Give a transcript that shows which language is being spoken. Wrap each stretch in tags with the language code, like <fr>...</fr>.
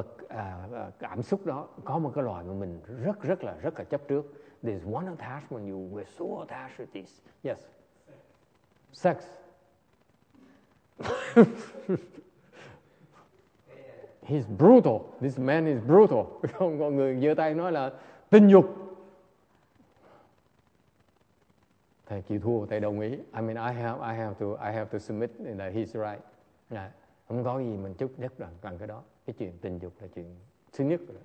<vi>Cái vật cảm xúc đó có một cái loại mà mình rất là chấp trước.</vi> <en>There's one attachment you were so attached to this. Yes. Sex. He's brutal. This man is brutal.</en> <vi>Không có người giơ tay nói là tình dục. Thầy chịu thua, thầy đồng ý.</vi> <en>I mean, I have to submit that he's right.</en> <vi>Không có gì mình chúc nhất bằng cái đó. Cái chuyện tình dục là chuyện thứ nhất.</vi>